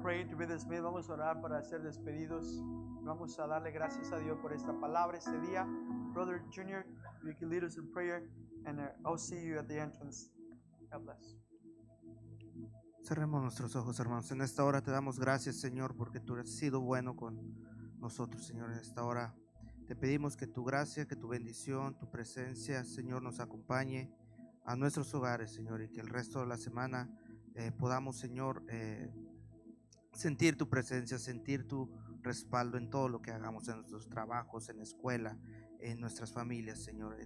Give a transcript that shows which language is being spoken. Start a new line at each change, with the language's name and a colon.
English: To be dismissed.
Spanish: Vamos a orar para ser despedidos. Vamos a darle gracias a Dios por esta palabra este día.
English: Brother Junior, you can lead us in prayer, and I'll see you at the entrance. God bless.
Spanish: Cerremos nuestros ojos, hermanos. En esta hora te damos gracias, Señor, porque tú has sido bueno con nosotros, Señor. En esta hora te pedimos que tu gracia, que tu bendición, tu presencia, Señor, nos acompañe a nuestros hogares, Señor, y que el resto de la semana podamos, Señor, sentir tu presencia, sentir tu respaldo en todo lo que hagamos, en nuestros trabajos, en la escuela, en nuestras familias, Señor.